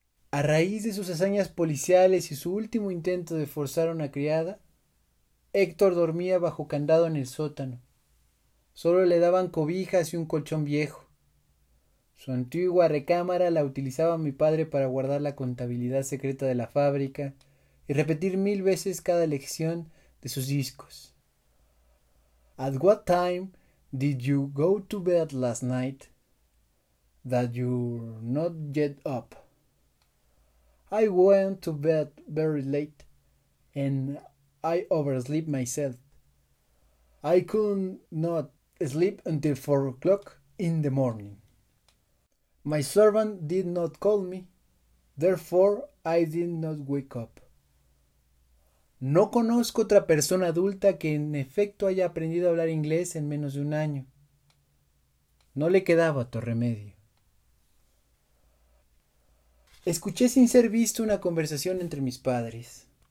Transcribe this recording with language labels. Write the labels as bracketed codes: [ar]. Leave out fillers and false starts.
[es] A raíz de sus hazañas policiales y su último intento de forzar a una criada, Héctor dormía bajo candado en el sótano. Solo le daban cobijas y un colchón viejo. Su antigua recámara la utilizaba mi padre para guardar la contabilidad secreta de la fábrica y repetir mil veces cada lección de sus discos. [en] At what time did you go to bed last night that you're not yet up? I went to bed very late, and I overslept myself. I could not sleep until 4 o'clock in the morning. My servant did not call me, therefore I did not wake up. [es] No conozco otra persona adulta que en efecto haya aprendido a hablar inglés en menos de un año. No le quedaba otro remedio. Escuché sin ser visto una conversación entre mis padres.